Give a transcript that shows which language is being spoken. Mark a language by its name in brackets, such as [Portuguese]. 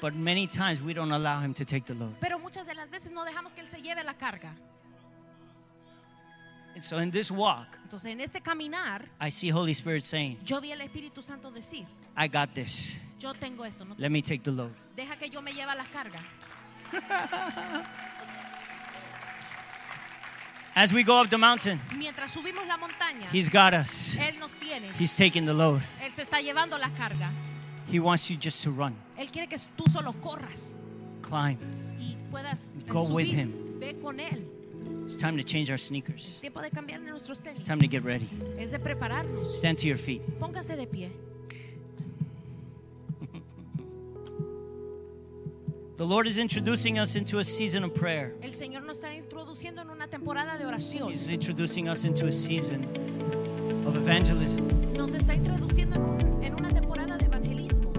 [English] But many times we don't allow him to take the load. [Spanish] Pero muchas de las veces no dejamos que él se lleve la carga. [English] And so in this walk, [Spanish] entonces en este caminar, [English] I see Holy Spirit saying, [Spanish] yo vi el Espíritu Santo decir, [English] I got this. [Spanish] Yo tengo esto. [English] Let me take the load. [Spanish] Deja que yo me lleve la carga. [English] As we go up the mountain, [Spanish] mientras subimos la montaña, [English] he's got us. [Spanish] Él nos tiene. [English] He's taking the load. [Spanish] Él se está llevando la carga. [English] He wants you just to run. [Spanish] Él quiere que tú solo corras. [English] Climb. [Spanish] Y puedas [English] go [Spanish] subir. [English] With him. [Spanish] Ve con él. [English] It's time to change our sneakers. [Spanish] Es tiempo de cambiar nuestros tenis. [English] It's time to get ready. [Spanish] Es de prepararnos. [English] Stand to your feet. [Spanish] Póngase de pie. [English] The Lord is introducing us into a season of prayer. [Spanish] El Señor nos está introduciendo en una temporada de oración. [English] He's introducing us into a season of evangelism. [Spanish] Nos está introduciendo en una temporada de evangelismo.